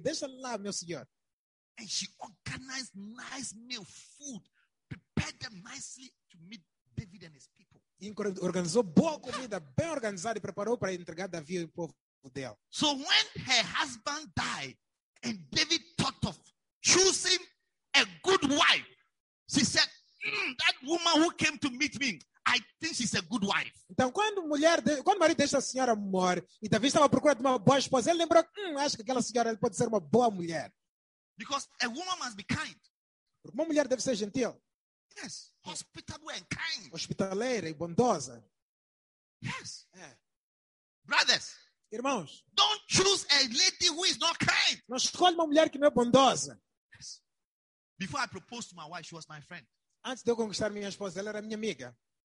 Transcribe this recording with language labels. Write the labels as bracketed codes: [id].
[pt] Deixa lá, meu senhor. [en] And she organized nice meal food, prepared them nicely to meet David and his people. [pt] Organizou boa comida, bem organizada, e preparou para entregar Davi ao povo dela. [en] So when her husband died and David thought of choosing a good wife, she said, "That woman who came to meet me, I think she's a good wife." [pt] Então quando o marido desta senhora morre e Davi estava procurando uma boa esposa, ele lembrou, acho que aquela senhora pode ser uma boa mulher. [en] Because a woman must be kind. [pt] Porque uma mulher deve ser gentil. [en] Yes, hospitable and kind. [pt] Hospitaleira e bondosa. [en] Yes. Brothers. [pt] Irmãos. [en] Don't choose a lady who is not kind. [pt] Não escolhe uma mulher que não é bondosa. [en] Yes. Before I proposed to my wife, she was my friend. [pt] Antes de eu conquistar minha esposa, ela era minha amiga.